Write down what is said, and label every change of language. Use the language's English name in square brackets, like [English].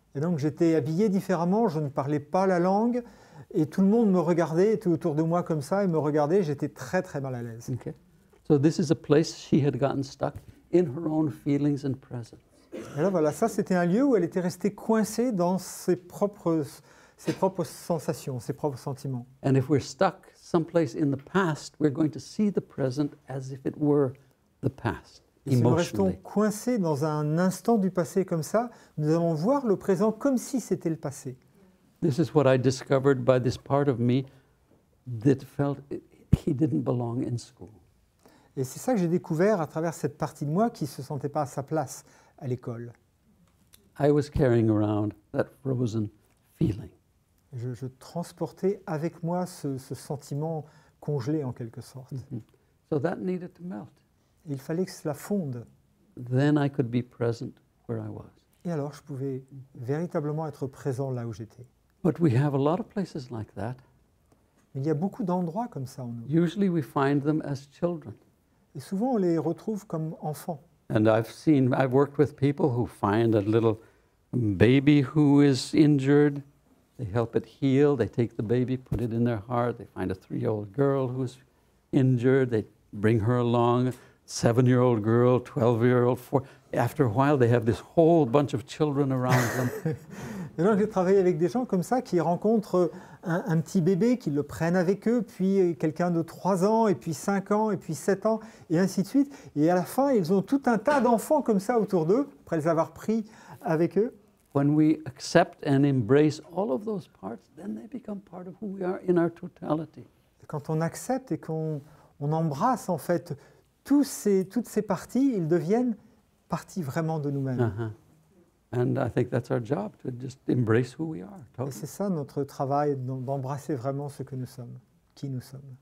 [French] Et donc j'étais habillé différemment. Je ne parlais pas la langue. Et tout le monde me regardait, était autour de moi comme ça, et me regardait, j'étais très très mal à l'aise. [English] Okay. So this is a place she had gotten stuck in her own feelings and presence. [French] Et là voilà, ça c'était un lieu où elle était restée coincée dans ses propres sensations, ses propres sentiments. [English] And if we're stuck someplace in the past, we're going to see the present as if it were the past, emotionally. [French] Si nous restons coincés dans un instant du passé comme ça, nous allons voir le présent comme si c'était le passé. [English] This is what I discovered by this part of me that felt he didn't belong in school. [French] Et c'est ça que j'ai découvert à travers cette partie de moi qui se sentait pas à sa place à l'école. [English] I was carrying around that frozen feeling. [French] Je transportais avec moi ce sentiment congelé en quelque sorte. Mm-hmm. [English] So that needed to melt. [French] Il fallait que cela fonde. [English] Then I could be present where I was. [French] Et alors je pouvais véritablement être présent là où j'étais. [English] But we have a lot of places like that. [French] Il y a beaucoup d'endroits comme ça en nous. [English] Usually we find them as children. [French] Et souvent on les retrouve comme enfants. [English] And I've worked with people who find a little baby who is injured. They help it heal. They take the baby, put it in their heart. They find a 3-year-old girl who's injured. They bring her along. 7-year-old girl, 12-year-old, 4. After a while, they have this whole bunch of children around them. [French] Et donc, j'ai travaillé avec des gens comme ça qui rencontrent un petit bébé, qui le prennent avec eux, puis quelqu'un de 3 ans, et puis 5 ans, et puis 7 ans, et ainsi de suite. Et à la fin, ils ont tout un tas d'enfants comme ça autour d'eux, après les avoir pris avec eux. [English] When we accept and embrace all of those parts, then they become part of who we are in our totality. [French] Quand on accepte et qu'on embrasse en fait toutes ces parties, ils deviennent partie vraiment de nous-mêmes. Uh-huh. [English] And I think that's our job, to just embrace who we are. Totally. [French] Et c'est ça notre travail, d'embrasser vraiment ce que nous sommes, qui nous sommes.